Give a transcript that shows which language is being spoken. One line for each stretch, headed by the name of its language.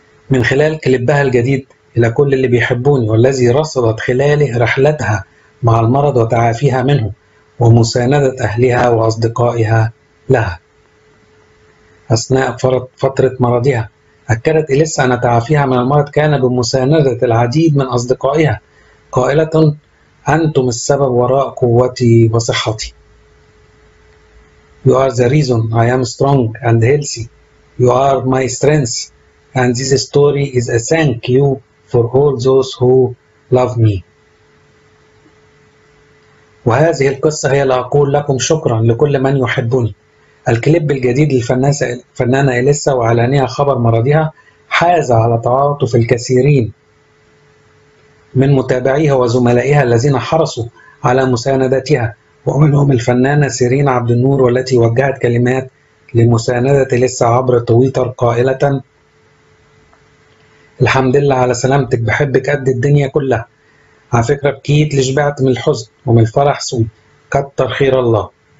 Arabic: من خلال كليبها الجديد إلى كل اللي بيحبوني، والذي رصدت خلاله رحلتها مع المرض وتعافيها منه ومساندة أهلها وأصدقائها لها أثناء فترة مرضها، أكدت إليسا أن تعافيها من المرض كان بمساندة العديد من أصدقائها، قائلة: أنتم السبب وراء قوتي وصحتي.
English: You are the reason I am strong and healthy. You are my strength. And this story is a thank you for all those who love me.
Arabic: وهذه القصة هي لا أقول لكم شكرا لكل من يحبني. الكليب الجديد للفنانة إليسا وإعلانها خبر مرضها حاز على تعاطف الكثيرين من متابعيها وزملائها الذين حرصوا على مساندتها، ومنهم الفنانة سيرين عبد النور والتي وجهت كلمات لمساندتي لسه عبر تويتر قائلة: الحمد لله على سلامتك، بحبك قد الدنيا كلها، على فكرة بكيت لشبعت من الحزن ومن الفرح سوي، كتر خير الله.